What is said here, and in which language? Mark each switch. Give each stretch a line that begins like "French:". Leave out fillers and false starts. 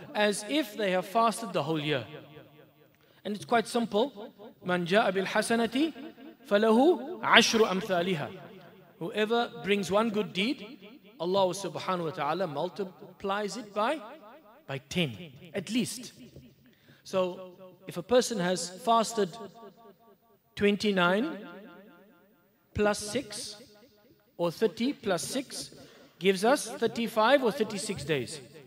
English: As if they have fasted the whole year. And it's quite simple.
Arabic: من جاء بالحسنة فله عشر أمثالها.
English: Whoever brings one good deed, Allah subhanahu wa ta'ala multiplies it by 10, at least. So if a person has fasted 29 plus 6 or 30 plus 6 gives us 35 or 36 days.